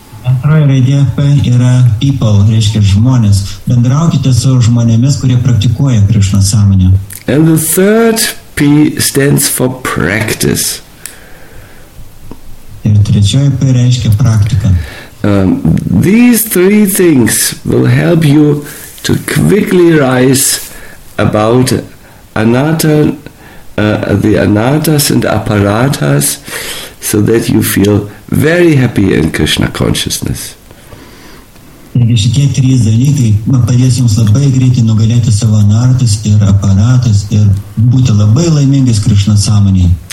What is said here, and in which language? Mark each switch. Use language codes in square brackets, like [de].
[lt] Antroji raidė P yra people, reiškia žmonės. Bendraukite su žmonėmis, kurie praktikuoja Krishna sąmonę. [en] And the third P stands for practice. [lt] Ir trečioji P reiškia praktika. [en] These three things will help you to quickly rise about anatta, the anattas and aparatas, so that you feel very happy in Krishna consciousness. [lt] Taigi šitie trys dalykai padės jums labai greitai nugalėti savo anartus ir aparatus ir būti labai laimingais Krishna sąmonėje.